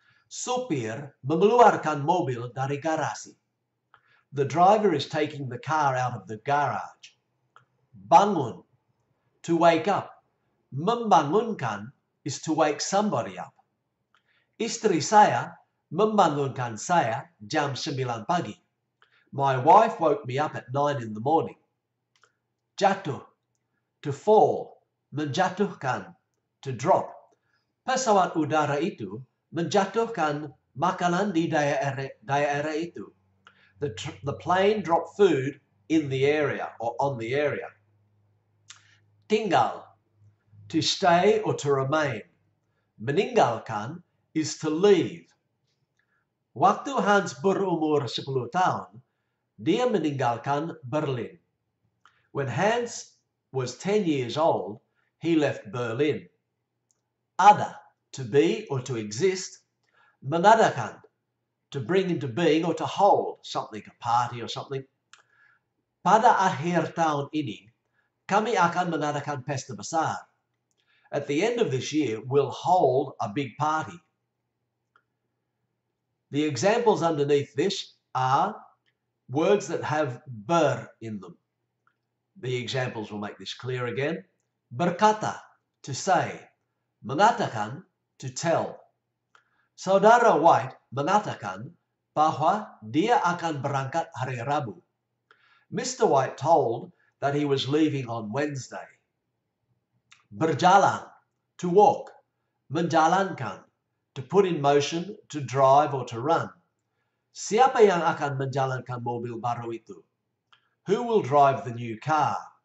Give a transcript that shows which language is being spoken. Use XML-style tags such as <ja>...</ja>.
<id>Sopir mengeluarkan mobil dari garasi.</id> <en>The driver is taking the car out of the garage. Bangun, to wake up. Membangunkan is to wake somebody up.</en> <id>Istri saya membangunkan saya jam 9 pagi.</id> <en>My wife woke me up at 9 in the morning. Jatuh, to fall. Menjatuhkan, to drop.</en> <id>Pesawat udara itu menjatuhkan makanan di daerah itu.</id> <en>The plane dropped food in the area or on the area. Tinggal, to stay or to remain. Meninggalkan is to leave.</en> <id>Waktu Hans berumur 10 tahun, dia meninggalkan Berlin.</id> <en>When Hans was 10 years old, he left Berlin. Ada, to be or to exist. Mengadakan, to bring into being or to hold something, a party or something.</en> <id>Pada akhir tahun ini, kami akan mengadakan pesta besar.</id> <en>At the end of this year, we'll hold a big party. The examples underneath this are words that have ber in them. The examples will make this clear again. Berkata, to say. Mengatakan, to tell.</en> <id>Saudara White mengatakan bahwa dia akan berangkat hari Rabu.</id> <en>Mr. White told that he was leaving on Wednesday. Berjalan, to walk. Menjalankan, to put in motion, to drive or to run.</en> <id>Siapa yang akan menjalankan mobil baru itu?</id> <en>Who will drive the new car?</en>